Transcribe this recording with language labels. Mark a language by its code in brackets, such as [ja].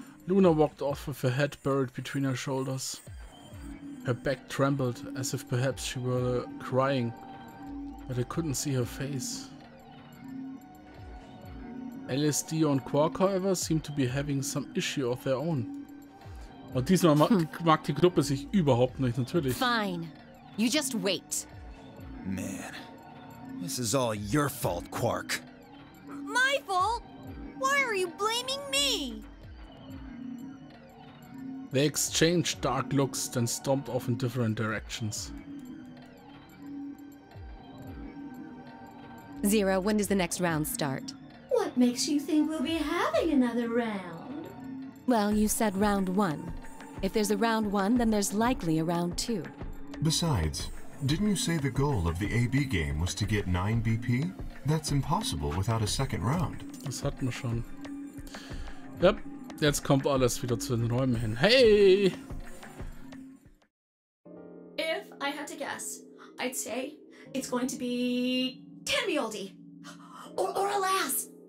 [en] Luna walked off with her head buried between her shoulders. Her back trembled, as if perhaps she were crying. But I couldn't see her face. Alice, Dio and Quark, however, seemed to be having some issue of their own. [de] Und diesmal mag die Gruppe sich überhaupt nicht, natürlich. [en] Fine. You just wait. Man, this is all your fault, Quark. My fault? Why are you blaming me? They exchange dark looks, then stomped off in different directions. Zero, when does the next round start? What makes you think we'll be having another round? Well, you said round one. If there's a round one, then there's likely a round two. Besides, didn't you say the goal of the AB game was to get 9 BP? That's impossible without a second round. [de] Das hatten wir schon. Yep, jetzt kommt alles wieder zu den Räumen hin. [en] Hey! If I had to guess, I'd say it's going to be 10 Mjoldi. Or alas!